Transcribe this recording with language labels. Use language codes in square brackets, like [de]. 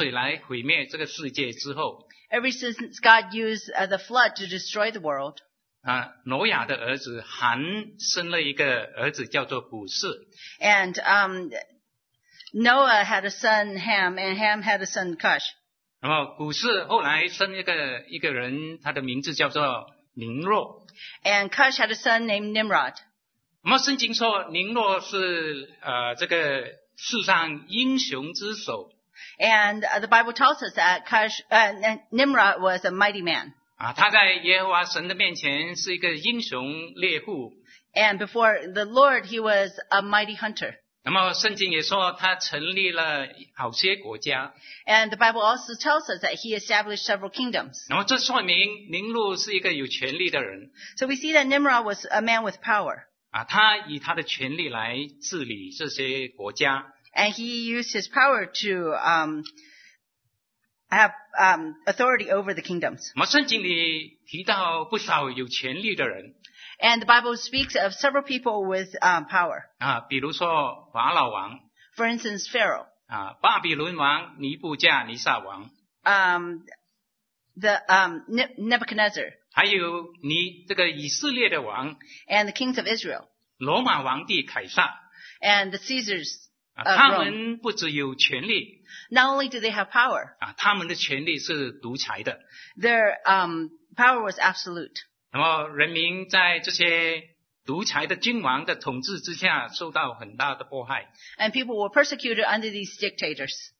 [zh] 然后自从神利用这个洪水来毁灭这个世界之后, [en] ever since God used the flood to destroy the world, [zh] 挪亚的儿子韩生了一个儿子叫做卜士。 [en] And Noah had a son, Ham, and Ham had a son, Cush. [zh] 然后古士后来生一个人，他的名字叫做宁洛。 [en] And Cush had a son named Nimrod. [zh] 那么圣经说宁洛是这个世上英雄之首。 [en] And the Bible tells us that Nimrod was a mighty man. [zh] 他在耶和华神的面前是一个英雄猎户。 [en] And before the Lord, he was a mighty hunter. [zh] 那么圣经也说他成立了好些国家。 [en] And the Bible also tells us that he established several kingdoms. [zh] 那么这说明宁禄是一个有权力的人。 [en] So we see that Nimrod was a man with power. [zh] 他以他的权力来治理这些国家。 [en] And he used his power to have authority over the kingdoms. [zh] 那么圣经里提到不少有权力的人。 [en] And the Bible speaks of several people with power. [zh] 比如说法老王, [en] for instance, Pharaoh. [zh] 巴比伦王尼布加尼撒王, [en] Nebuchadnezzar. [zh] 还有这个以色列的王, [en] and the kings of Israel. [zh] 罗马王帝凯撒, [en] and the Caesars. [zh] 他们不只有权力, [en] not only do they have power, [zh] 他们的权力是独裁的, [en] their power was absolute. [zh] 那么人民在这些独裁的君王的统治之下受到很大的迫害。 [en] And people were persecuted under these dictators.